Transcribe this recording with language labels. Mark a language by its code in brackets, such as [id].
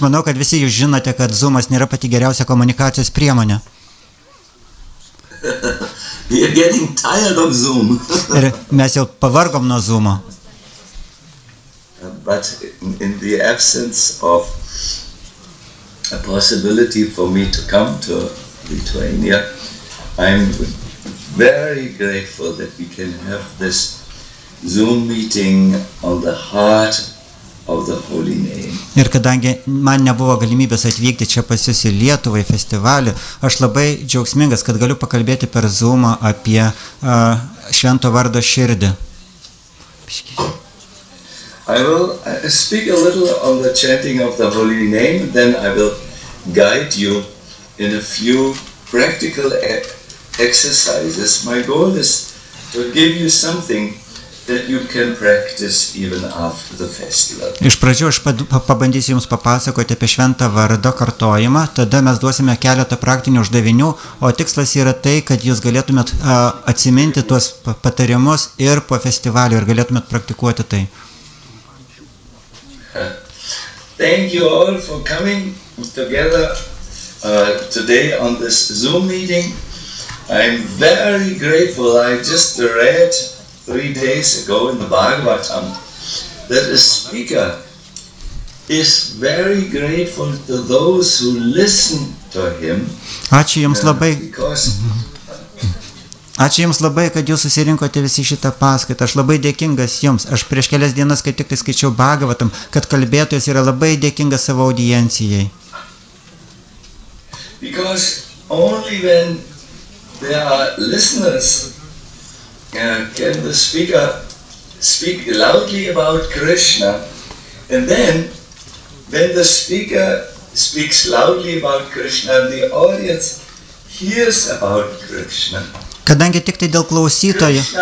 [lt] manau, kad visi jūs žinote, kad Zoom'as nėra pati geriausia komunikacijos priemonė. [en] We are getting tired of Zoom. [lt] Ir mes jau pavargom nuo Zoom'o. [en] But in the absence of a possibility for me to come to Lithuania, I'm very grateful that we can have this Zoom meeting on the heart of the holy name. [lt] Ir kadangi man nebuvo galimybės atvykti čia pas jūs į Lietuvą į festivalį, aš labai džiaugsmingas, kad galiu pakalbėti per Zoom'ą apie švento vardo širdį. [en] I will speak a little on the chanting of the holy name, then I will guide you in a few practical exercises. My goal is to give you something that you can practice even after the festival. [lt] Iš pradžių aš pabandysiu jums papasakoti apie šventą vardo kartojimą, tada mes duosime keletą praktinių uždavinių, o tikslas yra tai, kad jūs galėtumėt atsiminti tuos patarimus ir po festivalio ir galėtumėt praktikuoti tai. [en] Thank you all for coming together today on this Zoom meeting. I'm very grateful. I just read 3 days ago in the Bhagavatam that a speaker is very grateful to those who listen to him. [lt] Ačiū jums labai. Ačiū jums labai, kad jūs susirinkote visi šitą paskaitą. Aš labai dėkingas jums. Aš prieš kelias dienas, kai tik tai skaičiau Bhagavatam, kad kalbėtojas yra labai dėkingas savo audiencijai. [en] Because only when there are listeners can the speaker speak loudly about Krishna. And then when the speaker speaks loudly about Krishna, the audience hears about Krishna. [lt] Kadangi tik tai dėl klausytojų.